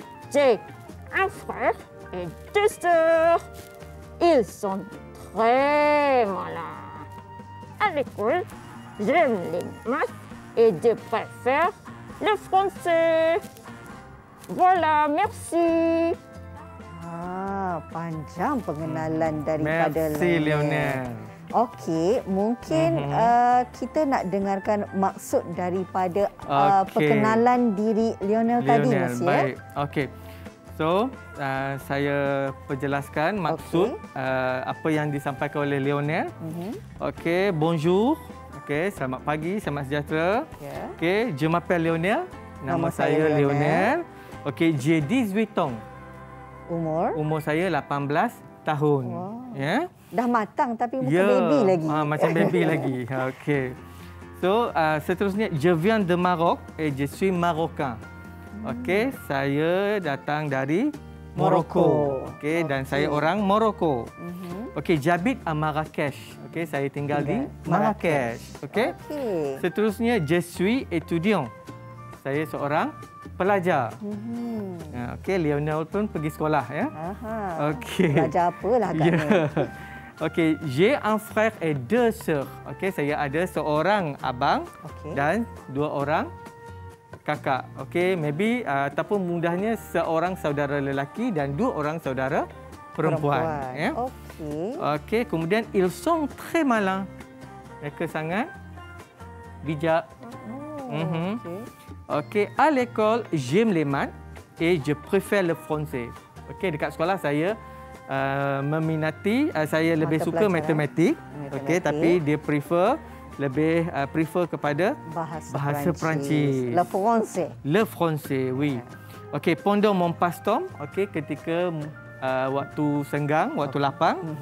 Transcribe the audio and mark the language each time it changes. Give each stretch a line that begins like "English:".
French: J'ai un frère et deux sœurs. Ils sont très malins. À l'école, j'aime les maths et je préfère le français. Voilà, merci.
Malay: Panjang pengenalan daripada
French: merci, Lionel.
Malay: Okey, mungkin kita nak dengarkan maksud daripada perkenalan diri Lionel tadi, Monsieur. Baik. Okey. So, saya perjelaskan maksud apa yang disampaikan oleh Lionel. Okey, bonjour. Okey, selamat pagi, selamat sejahtera.
English: Yeah.
French: Okey, je m'appelle Lionel.
Malay: Nama saya Lionel. Okey,
French: j'ai 18 ans.
Malay: Umur? Umur saya 18 tahun. Wow. Yeah. Dah matang tapi macam baby lagi. Macam baby lagi. Okey.
French: So,
Malay: seterusnya,
French: je viens de Maroc et je suis marocain.
Malay: Okey, saya datang dari Morocco. Okey, dan saya orang Morocco.
French: Okey, j'habite à Marrakech.
Malay: Okey, saya tinggal di Marrakech. Okey.
English: Okay.
Malay: Seterusnya,
French: je suis étudiant.
Malay: Saya seorang pelajar. Okey, Lionel pun pergi sekolah ya. Okey. Pelajar apalah agaknya.
French: Okey, j'ai un frère et deux sœurs.
Malay: Okey, saya ada seorang abang dan dua orang kakak. Okey, maybe ataupun mudahnya seorang saudara lelaki dan dua orang saudara perempuan. Yeah. Okey. Okey, kemudian
French: ils sont très malins.
Malay: Mereka sangat bijak.
French: Okey, à l'école, j'aime les maths et je préfère le français.
Malay: Okey, dekat sekolah saya meminati, saya mata lebih suka matematik, okey, tapi dia prefer lebih prefer kepada bahasa Perancis.
French: Le français, oui. Okey, pendant mon passe-temps, okey,
Malay: ketika waktu senggang, waktu lapang.